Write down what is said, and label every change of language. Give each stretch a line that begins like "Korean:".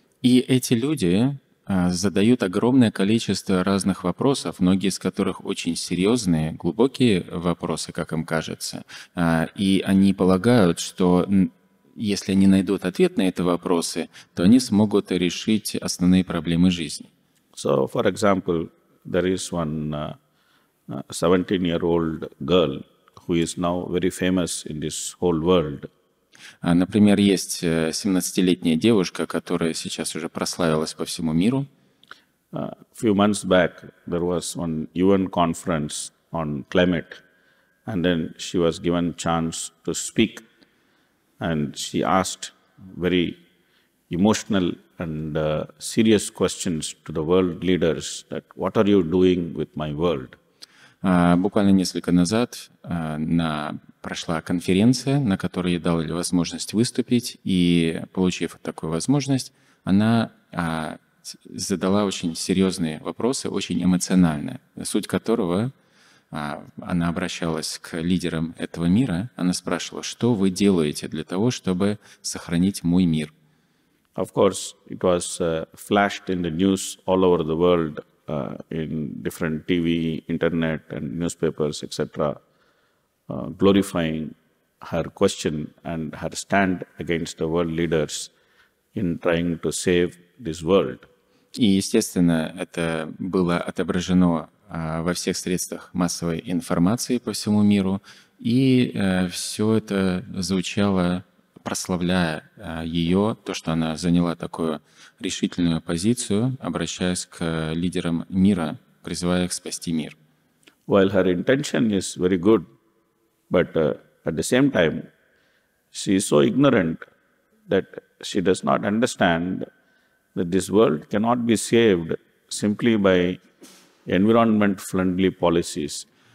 Russian: И эти люди задают огромное количество разных вопросов, многие из которых очень серьезные, глубокие вопросы, как им кажется. И они полагают, что если они найдут ответ на эти вопросы, то они смогут решить основные проблемы жизни.
English: So, for example, there is one 17-year-old girl who is now very famous in this whole world.
Russian: Например, есть 17-летняя девушка, которая сейчас уже прославилась по всему миру.
English: A few months back, there was one UN conference on climate, and then she was given chance to speak, and she asked very emotional and serious questions to the world leaders, that what are you doing with my world?
Russian: Буквально несколько назад прошла конференция, на которой ей дали возможность выступить, и, получив такую возможность, она задала очень серьезные вопросы, очень эмоциональные, суть которого она обращалась к лидерам этого мира, она спрашивала, что вы делаете для того, чтобы сохранить мой мир?
English: Of course, it was flashed in the news all over the world, in different TV, internet, and newspapers, etc., glorifying her question and her stand against the world leaders in trying to save this world.
Russian: И, естественно, это было отображено во всех средствах массовой информации по всему миру, и все это звучало, прославляя ее, то, что она заняла такую решительную позицию, обращаясь к лидерам мира, призывая их спасти мир.
English: While her intention is very good, but at the same time, she is so ignorant that she does not understand that this world cannot be saved simply by environment friendly policies.